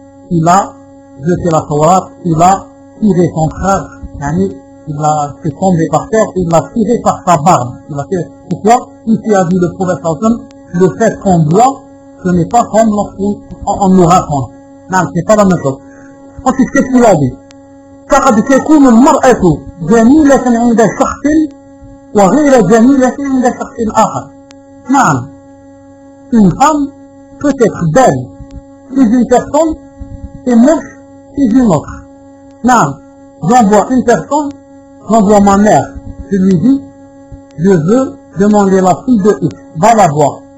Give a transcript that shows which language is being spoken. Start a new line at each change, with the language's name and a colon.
French: Il a jeté la Torah, il a tiré son frère, il a fait tomber par terre, il l'a tiré par sa barbe. Il a fait, pourquoi? Ici a dit le prophète Hassan, le fait qu'on voit, ce n'est pas comme lorsqu'on nous raconte. Non, c'est pas la même chose. Ensuite, qu'est-ce qu'il a dit?
Arabic: فقد تكون المرأة جميلة عند شخص وغير جميلة عند شخص آخر. نعم.
French: Une femme peut être belle chez une personne et moche chez une autre.
Arabic: نعم.
French: J'envoie une personne, j'envoie ma mère. Je lui dis, je veux demander la fille de X. Va la voir.